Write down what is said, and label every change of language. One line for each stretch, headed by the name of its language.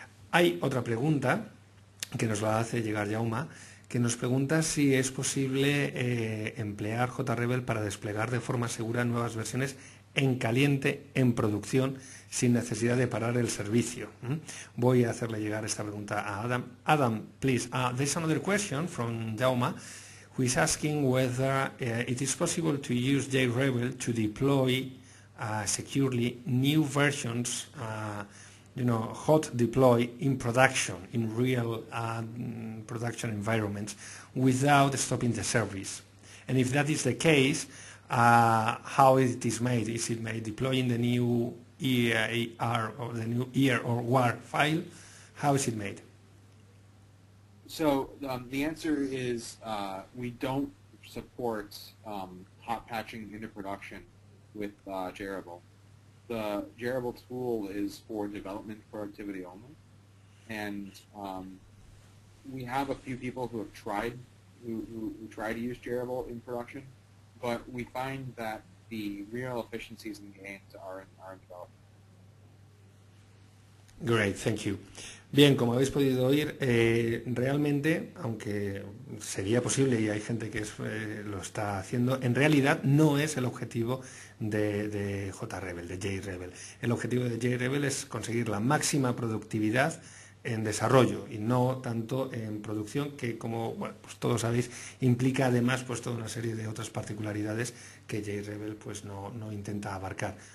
Spanish: Hay otra pregunta que nos la hace llegar Jaume, que nos pregunta si es posible emplear JRebel para desplegar de forma segura nuevas versiones en caliente, en producción, sin necesidad de parar el servicio. Voy a hacerle llegar esta pregunta a Adam.
English: Adam, please, there's another question from Jaume, who is asking whether it is possible to use JRebel to deploy securely new versions, you know, hot deploy in production, in real production environments, without stopping the service. And if that is the case, how it is made? Is it made deploying the new EAR or the new EAR or WAR file? How is it made? So the answer is we don't support hot patching into production with JRebel. The JRebel tool is for development productivity only, and we have a few people who have tried who try to use JRebel in production, but we find that the real efficiencies and gains are in development. Great, thank you.
Spanish: Bien, como habéis podido oír, realmente, aunque sería posible y hay gente que lo está haciendo, en realidad no es el objetivo de JRebel, de JRebel. El objetivo de JRebel es conseguir la máxima productividad en desarrollo y no tanto en producción, que como bueno, pues todos sabéis, implica además pues toda una serie de otras particularidades que JRebel pues no intenta abarcar.